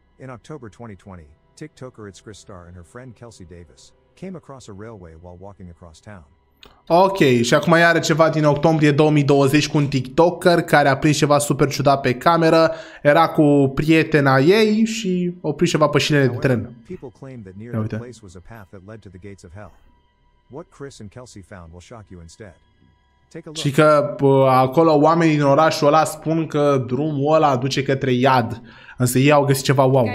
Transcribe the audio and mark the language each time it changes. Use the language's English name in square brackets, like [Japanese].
[English] In October 2020, TikToker It's Chris Starr and her friend Kelsey Davis came across a railway while walking across town. [Romanian] Ok, și acum iară ceva din octombrie 2020 cu un TikToker care a prins ceva super ciudat pe cameră. Era cu prietena ei și a prins ceva pe șinele de tren. [English] People claim that near the place was a path that led to the gates of hell. What Chris and Kelsey found will shock you instead. Take a look. [Romanian] Și că acolo oamenii din orașul ăla spun că drumul ăla duce către iad. Însă ei au găsit ceva wow.